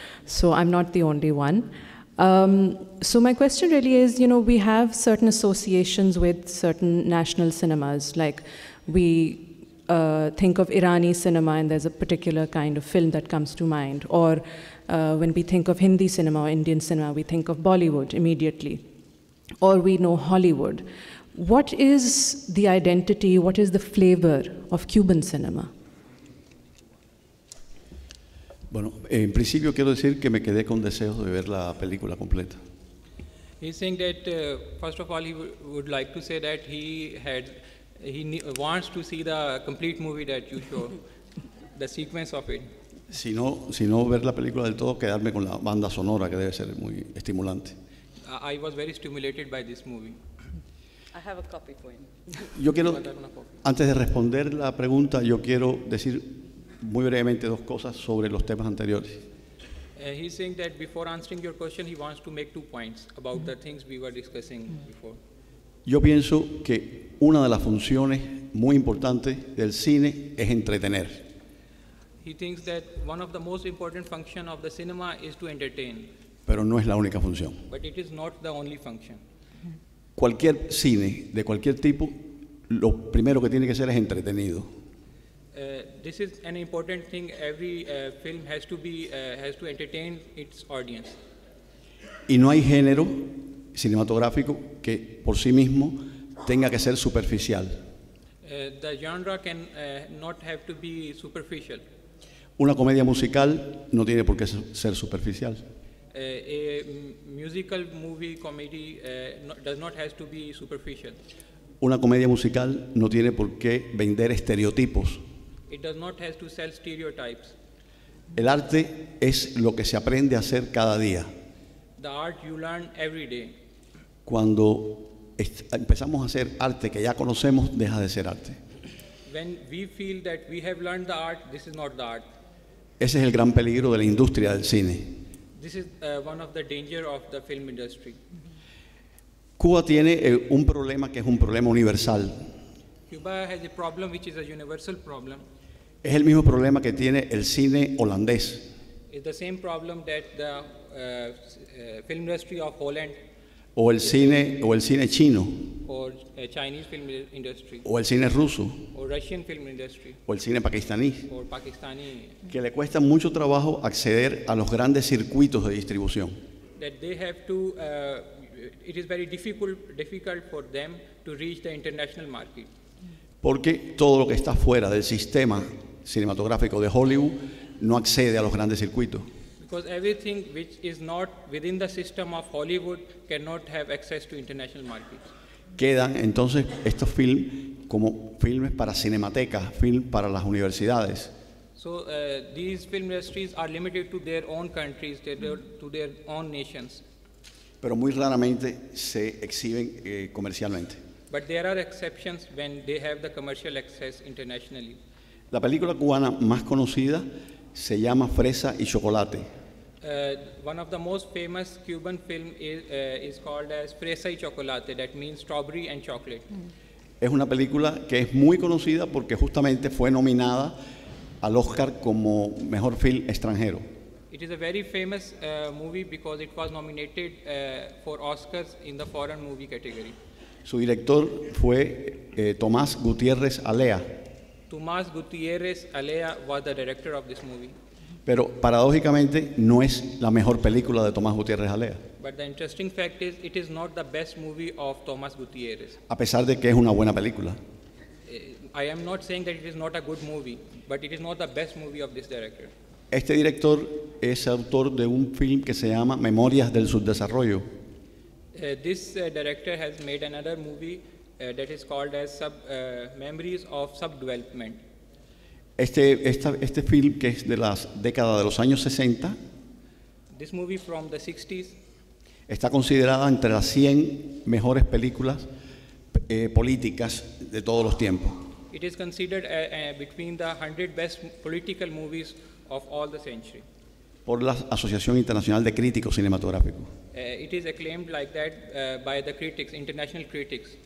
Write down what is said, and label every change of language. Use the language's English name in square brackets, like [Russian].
[English] So I'm not the only one. So my question really is, you know, we have certain associations with certain national cinemas, like we think of Irani cinema and there's a particular kind of film that comes to mind, or when we think of Hindi cinema or Indian cinema, we think of Bollywood immediately, or we know Hollywood. What is the identity, what is the flavor of Cuban cinema? [Spanish] Bueno, en principio quiero decir que me quedé con deseos de ver la película completa. [English] He's saying that first of all he would like to say that he wants to see the complete movie that you show, the sequence of it. [Spanish] Si no ver la película del todo, quedarme con la banda sonora que debe ser muy estimulante. [English] I was very stimulated by this movie. I have a copy for him. [Spanish] Yo quiero antes de responder la pregunta, yo quiero decir muy brevemente dos cosas sobre los temas anteriores. [English] He's saying that before answering your question, he wants to make two points about the things we were discussing before. [Spanish] Yo pienso que una de las funciones muy importantes del cine es entretener. [English] He thinks that one of the most important function of the cinema is to entertain. [Spanish] Pero no es la única función. [English] But it is not the only function. [Spanish] Cualquier cine de cualquier tipo, lo primero que tiene que ser es entretenido. [English] This is an important thing. Every film has to entertain its audience. [Spanish] Y no hay género cinematográfico que por sí mismo tenga que ser superficial. [English] The genre can not have to be superficial. [Spanish] Una comedia musical no tiene por qué ser superficial. [English] A musical movie comedy does not have to be superficial. [Spanish] Una comedia musical no tiene por qué vender estereotipos. [English] It does not have to sell stereotypes. [Spanish] El arte es lo que se aprende a hacer cada día. [English] The art you learn every day. [Spanish] Cuando empezamos a hacer arte que ya conocemos, deja de ser arte. [English] When we feel that we have learned the art, this is not the art. [Spanish] Ese es el gran peligro de la industria del cine. [English] This is one of the danger of the film industry. [Spanish] Cuba tiene un problema que es un problema universal. [English] Cuba has a problem which is a universal problem. [Spanish] Es el mismo problema que tiene el cine holandés. [English] It's the same problem that the film industry of Holland. [Spanish] O el cine chino. [English] Or Chinese film industry. [Spanish] O el cine ruso. [English] Or Russian film industry. [Spanish] O el cine pakistaní. [English] Or Pakistani. [Spanish] Que le cuesta mucho trabajo acceder a los grandes circuitos de distribución. [English] That they have to, it is very difficult for them to reach the international market. [Spanish] Porque todo lo que está fuera del sistema cinematográfico de Hollywood no accede a los grandes circuitos. [English] Because everything which is not within the system of Hollywood cannot have access to international markets. [Spanish] Quedan entonces estos films como filmes para cinematecas, film para las universidades. [English] So these film industries are limited to their own countries, to their own nations. [Spanish] Pero muy raramente se exhiben comercialmente. [English] But there are exceptions when they have the commercial access internationally. [Spanish] La película cubana más conocida se llama Fresa y Chocolate. [English] one of the most famous Cuban film is called as Fresa y Chocolate, that means strawberry and chocolate. Mm. [Spanish] Es una película que es muy conocida porque justamente fue nominada al Oscar como mejor film extranjero. [English] It is a very famous movie because it was nominated for Oscars in the foreign movie category. [Spanish] Su director fue Tomás Gutiérrez Alea. [English] Tomás Gutiérrez Alea was the director of this movie. [Spanish] Pero paradójicamente no es la mejor película de Tomás Gutiérrez Alea. [English] But the interesting fact is it is not the best movie of Tomás Gutiérrez. [Spanish] A pesar de que es una buena película. [English] I am not saying that it is not a good movie, but it is not the best movie of this director. [Spanish] Este director es autor de un film que se llama Memorias del Subdesarrollo. [English] This director has made another movie that is called as Memories of Subdevelopment. [Spanish] Este film que es de la década de los años 60. [English] This movie from the 60s. [Spanish] Está considerada entre las 100 mejores películas políticas de todos los tiempos. [English] It is considered between the 100 best political movies of all the century. [Spanish] Por la Asociación Internacional de Críticos Cinematográficos. [English] It is acclaimed like that by the critics, international critics.